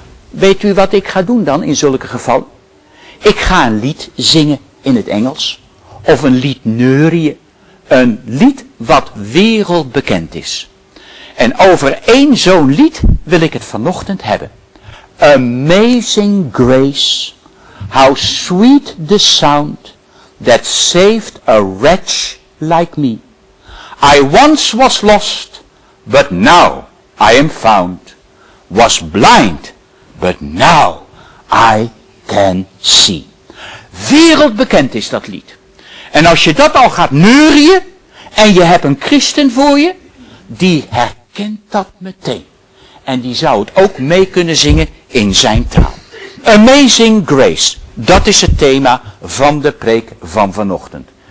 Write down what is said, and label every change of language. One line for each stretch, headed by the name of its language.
Dutch: Weet u wat ik ga doen dan in zulke gevallen? Ik ga een lied zingen in het Engels. Of een lied neurien. Een lied wat wereldbekend is. En over één zo'n lied wil ik het vanochtend hebben.
English: Amazing grace, how sweet the sound that saved a wretch like me. I once was lost, but now I am found. Was blind, but now I can see.
Dutch: Wereldbekend is dat lied. En als je dat al gaat neurien en je hebt een christen voor je, die herkent dat meteen. En die zou het ook mee kunnen zingen in zijn taal. Amazing Grace, dat is het thema van de preek van vanochtend.